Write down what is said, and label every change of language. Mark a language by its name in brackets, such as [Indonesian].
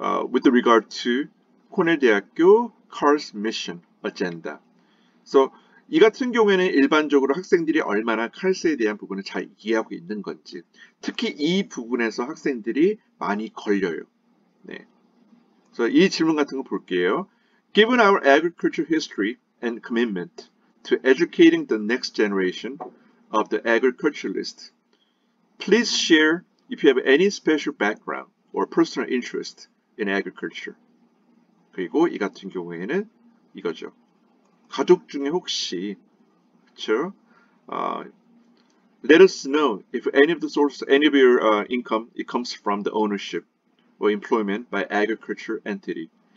[English] With regard to 코넬대학교 CARS mission agenda. [Korean] So 이 같은 경우에는 일반적으로 학생들이 얼마나 칼스에 대한 부분을 잘 이해하고 있는 건지, 특히 이 부분에서 학생들이 많이 걸려요. 네. 그래서 이 질문 같은 거 볼게요. [English] Given our agriculture history and commitment to educating the next generation of the agriculturalist, please share if you have any special background or personal interest in agriculture. [Korean] 그리고 이 같은 경우에는 이거죠. 가족 중에 혹시 그렇죠? [English] Let us know if any of the source, any of your income, it comes from the ownership or employment by agriculture entity.